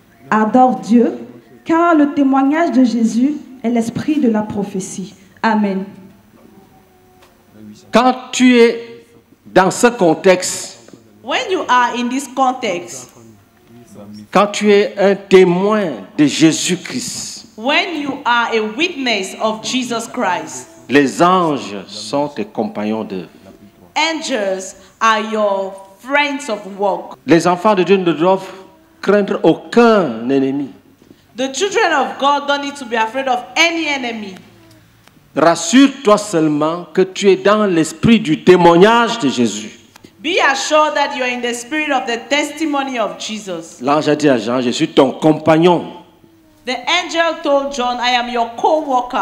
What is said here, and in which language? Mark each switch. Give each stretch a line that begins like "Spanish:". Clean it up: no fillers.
French: adore Dieu, car le témoignage de Jésus est l'esprit de la prophétie. Amen. Quand tu es dans ce contexte,
English: when you are in this context,
French: quand tu es un témoin de Jésus-Christ,
English: when you are a witness of Jesus Christ,
French: les anges sont tes compagnons d'œuvre.
English: Angels are your friends of work.
French: Les enfants de Dieu ne doivent craindre aucun ennemi.
English: The children of God don't need to be afraid of any enemy.
French: Rassure-toi seulement que tu es dans l'esprit du témoignage de Jésus.
English: Be assured that you are in the spirit of the testimony of Jesus.
French: L'ange a dit à Jean, je suis ton compagnon.
English: The angel told John, I am your co-worker.